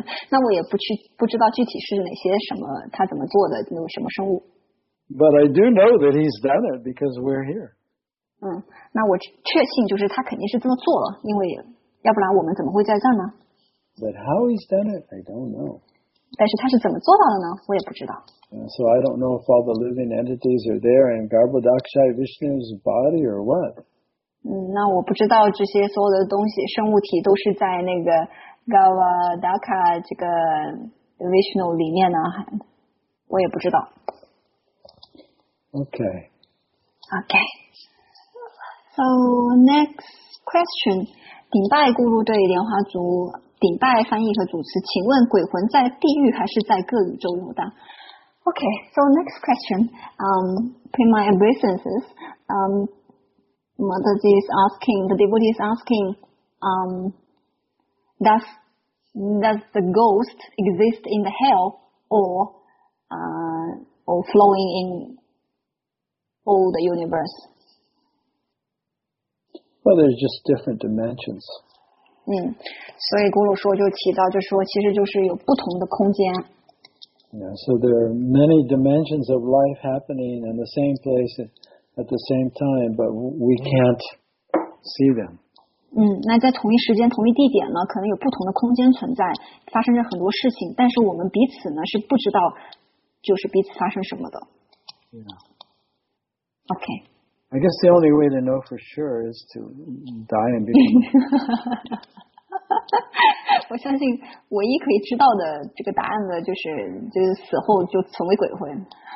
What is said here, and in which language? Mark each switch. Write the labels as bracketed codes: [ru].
[zh] 那我也不知道具体是哪些什么他怎么做的那什么生物。 [en] But I do know that he's done it because we're here. [zh] 嗯，那我确信就是他肯定是这么做了，因为。要不然我们怎么会在这呢 [en] ？But how he's done it, I don't know. [zh] 但是他是怎么做到的呢？我也不知道。 [en] So I don't know if all the living entities are there in Garbhodakshay Vishnu's body or what. [zh] 嗯，那我不知道这些所有的东西、生物体都是在那个 Garbhodaka 这个 Vishnu 里面呢，我也不知道。 [en] Okay. Okay. So next question. [zh] 顶拜咕噜对莲花族顶拜翻译和主持，请问鬼魂在地狱还是在各宇宙游荡 ？ [en] Okay, so next question. In my obeisances, Mataji is asking, the devotee is asking, does the ghost exist in the hell or flowing in all the universe? Well, there's just different dimensions. [zh] 嗯，所以咕噜说就提到，就说其实就是有不同的空间。 [en] Yeah, so there are many dimensions of life happening in the same place at the same time, but we can't see them. [zh] 嗯，那在同一时间、同一地点呢，可能有不同的空间存在，发生着很多事情，但是我们彼此呢是不知道，就是彼此发生什么的。 [en] Yeah. Okay. I guess the only way to know for sure is to die and become. [zh] 我相信唯一可以知道的这个答案呢，就是死后就成为鬼魂。